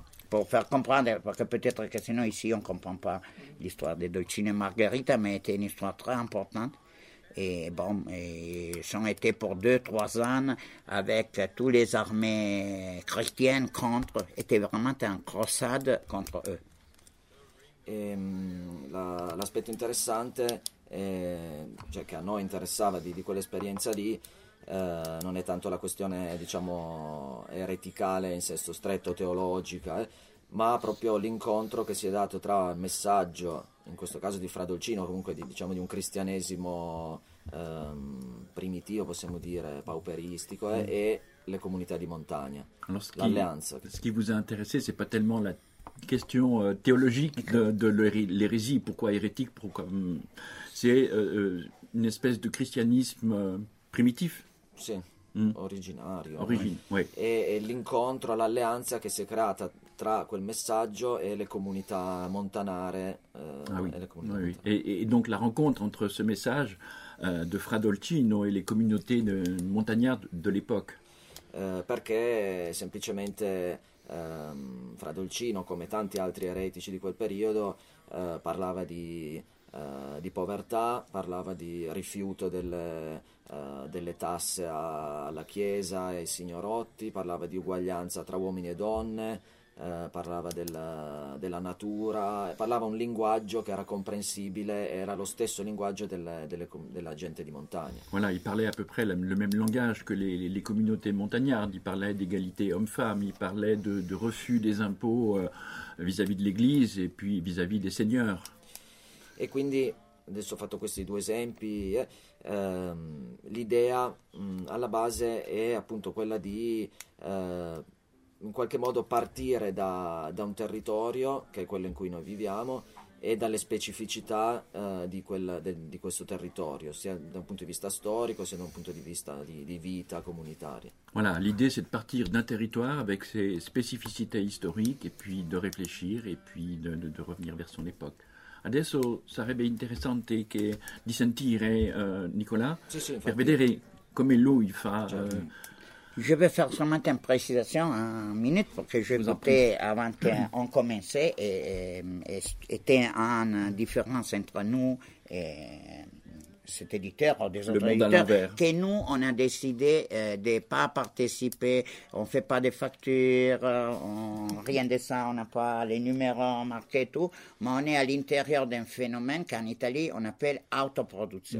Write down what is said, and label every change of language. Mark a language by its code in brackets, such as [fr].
[fr] Pour faire comprendre, parce que peut-être que sinon ici, on ne comprend pas l'histoire de Dolcino et Margherita, mais c'était une histoire très importante. Et bon, ils ont été pour 2-3 ans avec toutes les armées chrétiennes contre, c'était vraiment une croisade contre eux. [it] Et l'aspetto interessante, cioè che a noi interessava di quell'esperienza lì, non è tanto la questione, diciamo, ereticale in senso stretto, teologica, ma proprio l'incontro che si è dato tra il messaggio, in questo caso di Fra Dolcino, comunque diciamo di un cristianesimo primitivo, possiamo dire, pauperistico, e le comunità di montagna, l'alleanza. [fr] Ce qui vous a intéressé, c'est pas tellement la question théologique de l'hérésie, pourquoi hérétique, pourquoi c'est une espèce de christianisme primitif. [it] Sì, originario. [fr] Ouais. [it] E l'incontro, l'alleanza che si è creata tra quel messaggio e le comunità montanare. [fr] Et donc la rencontre entre ce message de Fra Dolcino et les communautés montagnardes de l'époque. [it] Perché semplicemente Fra Dolcino, come tanti altri eretici di quel periodo, parlava di povertà, parlava di rifiuto delle tasse alla Chiesa e ai signorotti, parlava di uguaglianza tra uomini e donne, parlava della natura, parlava un linguaggio che era comprensibile, era lo stesso linguaggio della gente di montagna. [fr] Voilà, il parlait à peu près le même langage que les communautés montagnardes, il parlait d'égalité homme-femme, il parlait de refus des impôts vis-à-vis de l'Église et puis vis-à-vis des seigneurs. [it] E quindi, adesso ho fatto questi due esempi, l'idea alla base è appunto quella di in qualche modo partire da un territorio, che è quello in cui noi viviamo, e dalle specificità di questo territorio, sia da un punto di vista storico, sia da un punto di vista di vita comunitaria. Voilà, l'idea è di partire da un territorio con le specificità storiche, e poi di riflettere, e poi di revenire verso l'epoca. Adesso sarebbe interessante di sentire Nicolas, sì, per vedere come lui fa. [fr] Je vais faire seulement une précision, une minute, parce que j'ai écouté avant qu'on commence, et c'était une différence entre nous et cet éditeur, ou des le autres éditeurs, que nous, on a décidé de ne pas participer, on ne fait pas de factures, rien de ça, on n'a pas les numéros marqués et tout, mais on est à l'intérieur d'un phénomène qu'en Italie, on appelle autoproduction.